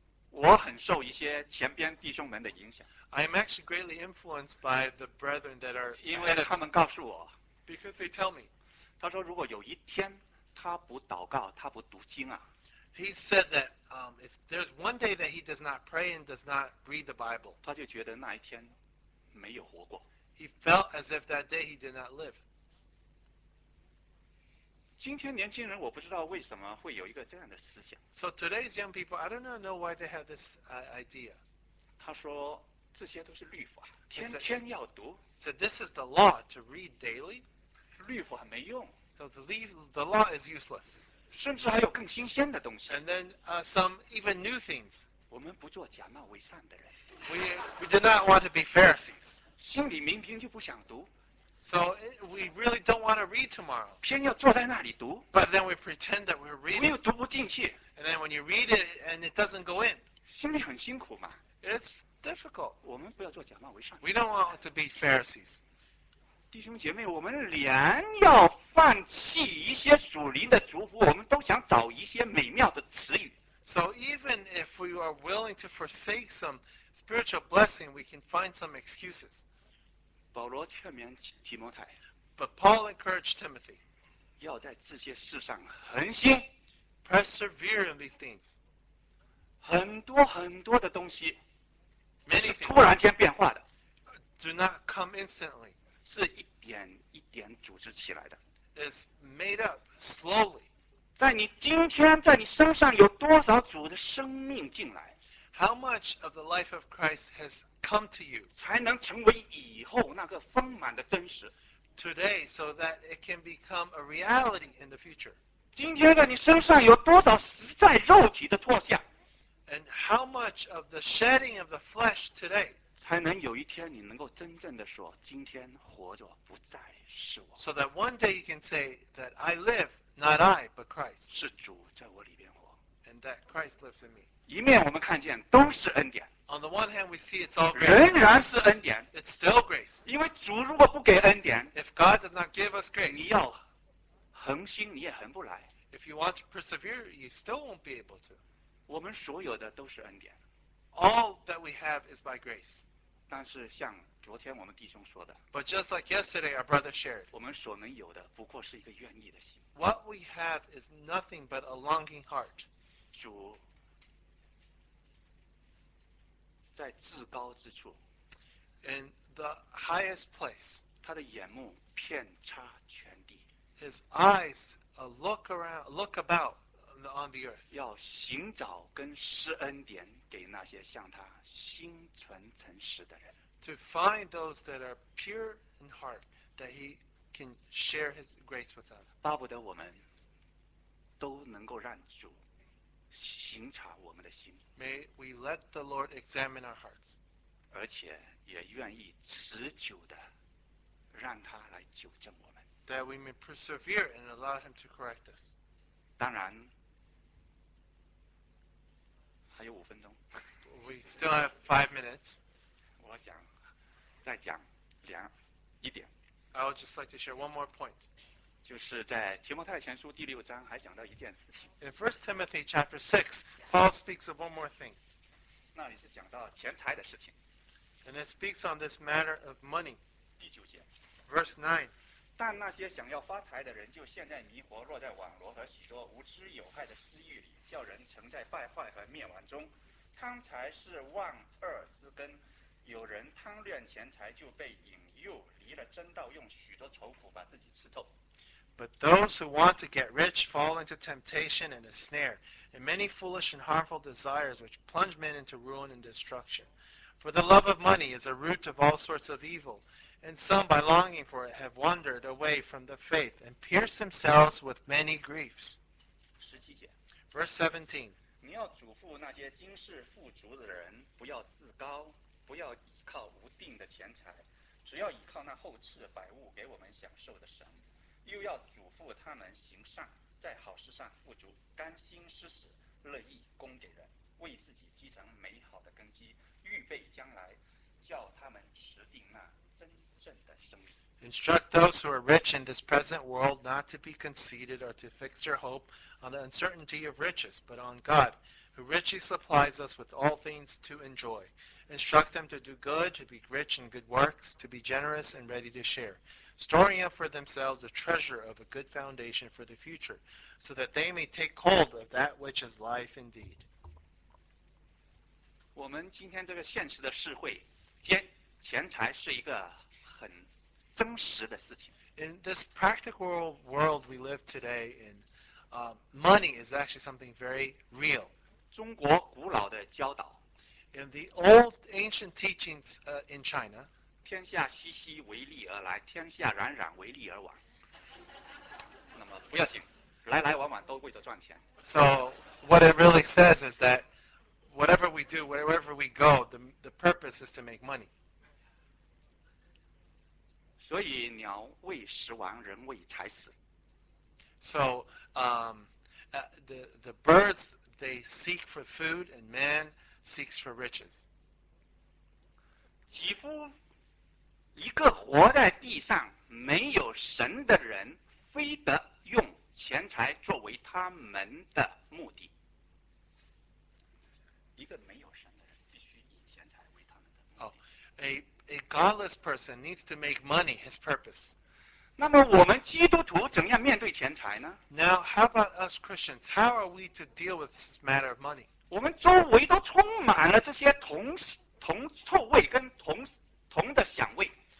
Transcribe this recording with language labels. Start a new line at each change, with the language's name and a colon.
Chinese: 我很受一些前边弟兄们的影响。
English: I am actually greatly influenced by the brethren that are.
Chinese: 因为他们告诉我。
English: Because they tell me.
Chinese: 他说如果有一天他不祷告，他不读经啊。
English: He said that if there's one day that he does not pray and does not read the Bible,
Chinese: 他就觉得那一天没有活过。
English: He felt as if that day he did not live.
Chinese: 今天年轻人我不知道为什么会有一个这样的思想。
English: So today's young people, I don't know why they have this idea.
Chinese: 他说这些都是律法，天天要读。
English: So this is the law to read daily.
Chinese: 律法没用。
English: So the law is useless.
Chinese: 甚至还有更新鲜的东西。
English: And then some even new things.
Chinese: 我们不做假冒伪善的人。
English: We do not want to be Pharisees.
Chinese: 心里明明就不想读。
English: So we really don't want to read tomorrow.
Chinese: 偏要坐在那里读。
English: But then we pretend that we're reading.
Chinese: 我又读不进去。
English: And then when you read it and it doesn't go in.
Chinese: 心里很辛苦嘛。
English: It's difficult.
Chinese: 我们不要做假冒伪善。
English: We don't want to be Pharisees.
Chinese: 弟兄姐妹，我们连要放弃一些属灵的祝福，我们都想找一些美妙的词语。
English: So even if we are willing to forsake some spiritual blessing, we can find some excuses.
Chinese: 保罗劝勉提摩太。
English: But Paul encouraged Timothy.
Chinese: 要在这些事上恒心。
English: Persevere in these things.
Chinese: 很多很多的东西。
English: Many things.
Chinese: 是突然间变化的。
English: Do not come instantly.
Chinese: 是一点一点组织起来的。
English: It's made up slowly.
Chinese: 在你今天，在你身上有多少主的生命进来
English: ？How much of the life of Christ has come to you?
Chinese: 才能成为以后那个丰满的真实。
English: Today, so that it can become a reality in the future.
Chinese: 今天在你身上有多少实在肉体的脱下
English: ？And how much of the shedding of the flesh today?
Chinese: 才能有一天你能够真正的说今天活着不再是我。
English: So that one day you can say that I live, not I, but Christ.
Chinese: 是主在我里边活。
English: And that Christ lives in me.
Chinese: 一面我们看见都是恩典。
English: On the one hand we see it's all grace.
Chinese: 仍然是恩典。
English: It's still grace.
Chinese: 因为主如果不给恩典。
English: If God does not give us grace.
Chinese: 你要恒心你也恒不来。
English: If you want to persevere, you still won't be able to.
Chinese: 我们所有的都是恩典。
English: All that we have is by grace.
Chinese: 但是像昨天我们弟兄说的
English: But just like yesterday our brother shared,
Chinese: 我们所能有的不过是一个愿意的心
English: What we have is nothing but a longing heart.
Chinese: 主在至高之处
English: In the highest place,
Chinese: 他的眼目遍插全地
English: His eyes look about. On the earth.
Chinese: 要寻找跟施恩典给那些向他心存诚实的人。
English: To find those that are pure in heart, that he can share his grace with them.
Chinese: 巴不得我们都能够让主省察我们的心。
English: May we let the Lord examine our hearts.
Chinese: 而且也愿意持久的让他来纠正我们。
English: That we may persevere and allow him to correct us.
Chinese: 当然。还有五分钟。
English: We still have 5 minutes.
Chinese: 我想再讲两一点。
English: I would just like to share one more point.
Chinese: 就是在提摩太前书第六章还讲到一件事情。
English: In 1 Timothy chapter 6, Paul speaks of one more thing.
Chinese: 那里是讲到钱财的事情。
English: And it speaks on this matter of money.
Chinese: 第九节。
English: Verse 9.
Chinese: 但那些想要发财的人就陷在迷惑，落在网罗和许多无知有害的私欲里，叫人沉在败坏和灭亡中。贪财是万恶之根，有人贪恋钱财就被引诱离了真道，用许多愁苦把自己吃透。
English: But those who want to get rich fall into temptation and a snare, and many foolish and harmful desires which plunge men into ruin and destruction. For the love of money is a root of all sorts of evil, and some by longing for it have wandered away from the faith and pierced themselves with many griefs.
Chinese: 17节
English: Verse 17.
Chinese: 你要嘱咐那些今世富足的人，不要自高，不要倚靠无定的钱财，只要倚靠那后赐百物给我们享受的神。又要嘱咐他们行善，在好事上富足，甘心施舍，乐意供给人，为自己积成美好的根基，预备将来，叫他们持定那真正的生命。
English: Instruct those who are rich in this present world not to be conceited or to fix their hope on the uncertainty of riches, but on God, who richly supplies us with all things to enjoy. Instruct them to do good, to be rich in good works, to be generous and ready to share, storing up for themselves a treasure of a good foundation for the future, so that they may take hold of that which is life indeed.
Chinese: 我们今天这个现实的社会，钱财是一个很真实的事情。
English: In this practical world we live today in, money is actually something very real.
Chinese: 中国古老的教导。
English: In the old ancient teachings, in China,
Chinese: 天下熙熙为利而来，天下攘攘为利而往。那么不要紧，来来往往都为着赚钱。
English: So what it really says is that whatever we do, wherever we go, the purpose is to make money.
Chinese: 所以鸟为食亡，人为财死。
English: So, the birds, they seek for food and man,seeks for riches.
Chinese: 几乎一个活在地上没有神的人非得用钱财作为他们的目的。一个没有神的人必须以钱财为他们的目的。
English: A godless person needs to make money his purpose.
Chinese: 那么我们基督徒怎样面对钱财呢？
English: Now, how about us Christians? How are we to deal with this matter of money?
Chinese: 我们周围都充满了这些铜臭味跟铜的香味。